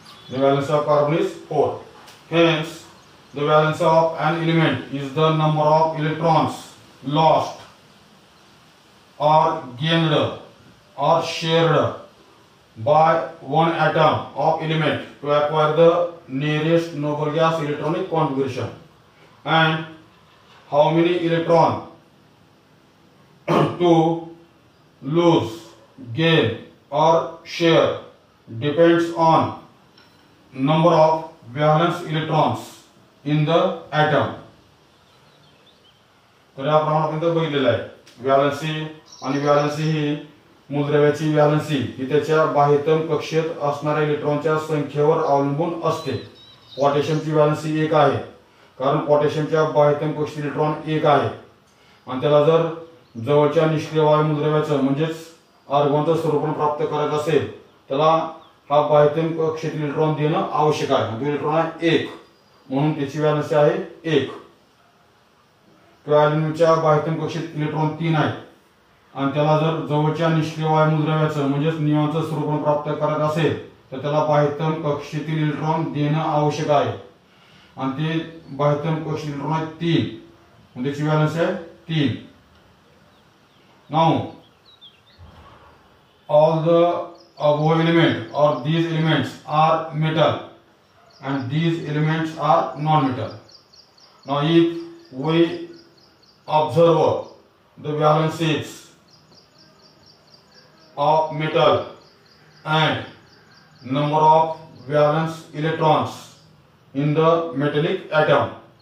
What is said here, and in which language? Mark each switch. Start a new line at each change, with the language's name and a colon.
English: The valence of carbon is 4. Hence, the valence of an element is the number of electrons lost or gained or shared by one atom of element to acquire the nearest noble gas electronic configuration, and how many electron to lose, gain or share depends on number of valence electrons in the atom.
Marathi: तर या प्रमाणात आपण बघितलेलं आहे valency आणि valency ही मूलद्रव्याची valency ही त्याच्या बाह्यतम कक्षेत असणाऱ्या इलेक्ट्रॉनच्या संख्येवर अवलंबून असते. पोटॅशियमची व्हॅलन्सी 1 आहे कारण पोटॅशियमच्या बाह्यतम कक्षेत इलेक्ट्रॉन 1 आहे आणि त्याला जर जवळच्या निष्क्रिय वायू मूलद्रव्याचं म्हणजेच आर्गॉनचं स्वरूपण प्राप्त करायचं असेल त्याला हा बाह्यतम कक्षेत इलेक्ट्रॉन देणं आवश्यक आहे. म्हणजे इलेक्ट्रॉन आहे 1 म्हणून त्याची व्हॅलन्सी आहे 1. क्लोरीनच्या बाह्यतम कक्षेत इलेक्ट्रॉन 3 आहे आणि त्याला जर जवळच्या निष्क्रिय वायू मूलद्रव्याचं म्हणजेच नियॉनचं स्वरूपण प्राप्त करत असेल तर त्याला बाह्यतम कक्षेतील इलेक्ट्रॉन देणं आवश्यक आहे आणि ते बाह्यतम कक्षेतील इलेक्ट्रॉन आहे 3 म्हणजे त्याची व्हॅलन्स आहे 3.
English: Now all the above element or these elements are metal and these elements are non metal. Now if we observe the valencies of metal and number of valence electrons in the metallic atom.